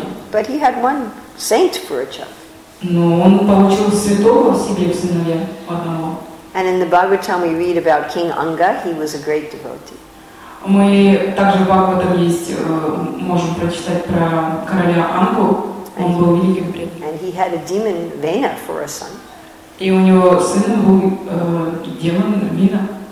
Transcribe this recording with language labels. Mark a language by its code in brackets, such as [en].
[en] But he had one saint for a child. [ru] Но он получил святого себе в сыновья одного. [en] And in the Bhagavatam we read about King Anga. He was a great devotee. [ru] Мы также в Бхагаватам можем прочитать про короля Ангу. Он был великим преданным. [en] And he had a demon Vena for a son. [ru] И у него сын был демон Вена.